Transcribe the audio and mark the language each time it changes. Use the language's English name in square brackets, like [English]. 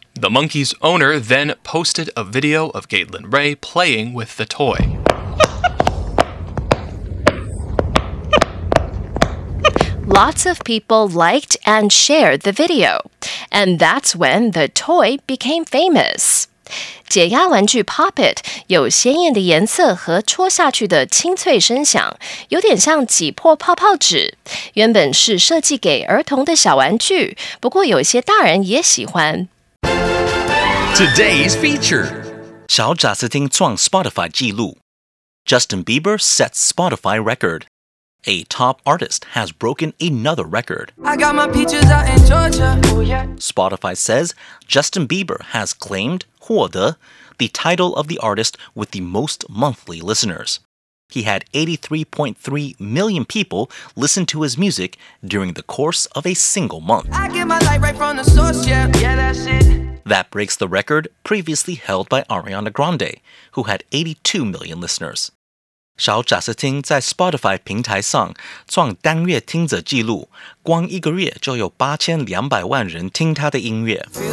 [English] The monkey's owner then posted a video of Gaitlin Ray playing with the toy. Lots of people liked and shared the video. And that's when the toy became famous. [Chinese] 解压玩具 Poppet 有鲜艳的颜色和戳下去的清脆声响，有点像挤破泡泡纸。原本是设计给儿童的小玩具，不过有些大人也喜欢。 [English] Today's feature: [Chinese] 小贾斯汀撞 Spotify 记录。 [English] Justin Bieber sets Spotify record. A top artist has broken another record. I got my peaches out in Georgia. Spotify says Justin Bieber has claimed [Chinese] 获得 [English] the title of the artist with the most monthly listeners. He had 83.3 million people listen to his music during the course of a single month. I get my light right from the source, yeah. Yeah, that's it. That breaks the record previously held by Ariana Grande, who had 82 million listeners. [Chinese] 小贾斯汀在 Spotify 平台上创单月听者记录，光一个月就有8200万人听他的音乐。